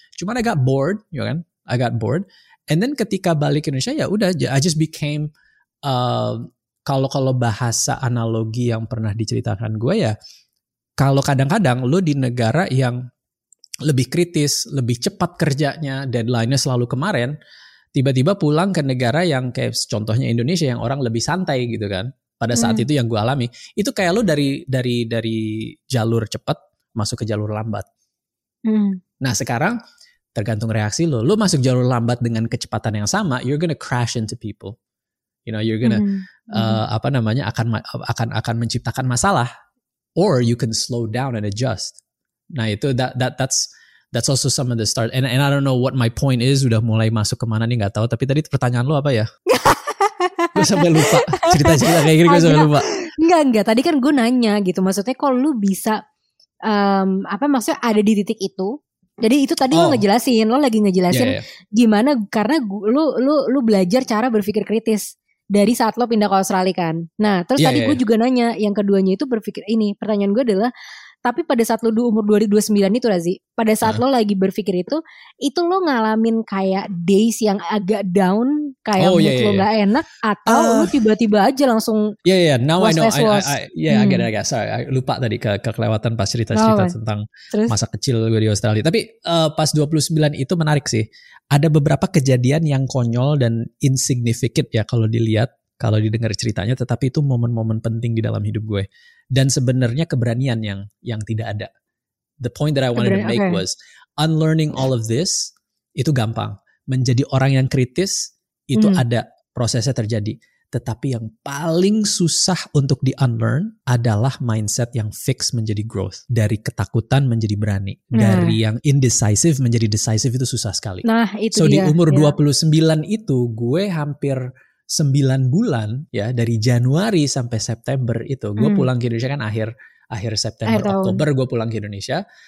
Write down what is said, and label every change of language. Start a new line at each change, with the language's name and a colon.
Indonesian: Cuman I got bored, you know, I got bored.
English: And then
Indonesian: ketika balik ke Indonesia, ya udah,
English: I just became,
Indonesian: kalau bahasa analogi yang pernah diceritakan gue ya, kalau kadang-kadang lu di negara yang lebih kritis, lebih cepat kerjanya, deadline-nya selalu kemarin, tiba-tiba pulang ke negara yang kayak contohnya Indonesia, yang orang lebih santai gitu kan, pada saat itu yang gue alami, itu kayak lu dari jalur cepat masuk ke jalur lambat. Nah sekarang, tergantung reaksi lo. Lo masuk jalur lambat dengan kecepatan yang sama,
English: you're gonna crash into people. You know, you're gonna
Indonesian: akan menciptakan masalah.
English: Or you can slow down and adjust.
Indonesian: Nah itu
English: that's also some of the start. And I don't know what my point is.
Indonesian: Udah mulai masuk kemana nih? Gak tahu. Tapi tadi pertanyaan lo apa ya? Gue sampai lupa. Cerita-cerita kayak gini gue sampai lupa. Enggak. Tadi kan gue nanya gitu. Maksudnya kalau lo bisa maksudnya ada di titik itu? Jadi itu tadi lo ngejelasin, lo lagi ngejelasin gimana karena lo belajar cara berpikir kritis dari saat lo pindah ke Australia kan. Nah terus gue juga nanya yang keduanya itu berpikir ini pertanyaan gue adalah tapi pada saat lo umur 29 itu Razi, pada saat lo lagi berpikir itu lo ngalamin kayak days yang agak down kayak mood lo nggak enak atau lo tiba-tiba aja langsung
English: now I know I get it. Sorry, I
Indonesian: lupa tadi kelewatan pas cerita tentang masa kecil gue di Australia. Tapi pas 29 itu menarik sih, ada beberapa kejadian yang konyol dan insignificant ya kalau dilihat, kalau didengar ceritanya, tetapi itu momen-momen penting di dalam hidup gue. Dan sebenarnya keberanian yang tidak ada.
English: The point that I wanted to make was unlearning all of this
Indonesian: itu gampang. Menjadi orang yang kritis itu ada prosesnya terjadi. Tetapi yang paling susah untuk di unlearn adalah mindset yang fix menjadi growth. Dari ketakutan menjadi berani. Nah. Dari yang indecisive menjadi decisive itu susah sekali. Nah, itu so di umur 29 itu gue hampir 9 bulan ya, dari Januari sampai September itu gue pulang ke Indonesia kan akhir September, Oktober gue pulang ke Indonesia.